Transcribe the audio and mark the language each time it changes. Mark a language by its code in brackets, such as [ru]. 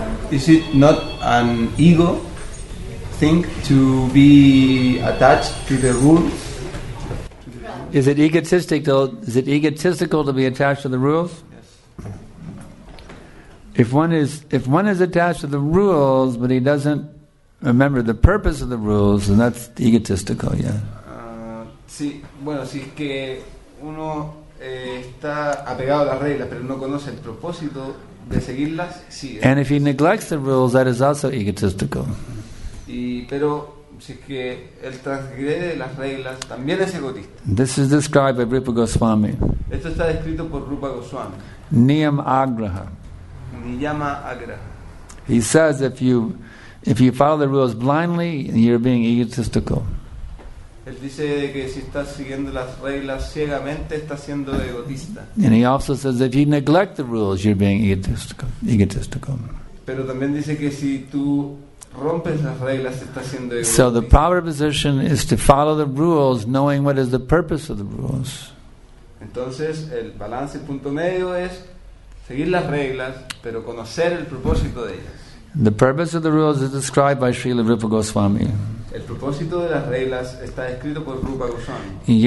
[en] Is it not an ego thing to be attached to the rules? Is it egotistical? Is it egotistical to be attached to the rules? Yes. If one is attached to the rules, but he doesn't remember the purpose of the rules, and that's egotistical, yeah. [es] Sí, bueno, si es que uno está apegado a las reglas, pero no conoce el propósito de seguirlas, sí. [en] And if he neglects the rules, that is also egotistical. [es] Y pero si es que él transgrede las reglas, también es egotista. [en] This is described by Rupa Goswami. [es] Esto está descrito por Rupa Goswami. [sa] Niyam Agraha. Niyama Agraha. [en] He says if you follow the rules blindly, you're being egotistical. [es] Él dice que si estás siguiendo las reglas ciegamente, estás siendo egotista. [en] And he also says if you neglect the rules, you're being egotistical. [es] Pero también dice que si tú rompes las reglas, estás siendo egotista. [en] So the proper position is to follow the rules, knowing what is the purpose of the rules. [es] Entonces, el balance, el punto medio es seguir las reglas, pero conocer el propósito de ellas. [en] The purpose of the rules is described by Srila Rupa Goswami. [es] El propósito de las reglas está escrito por Rupa Goswami.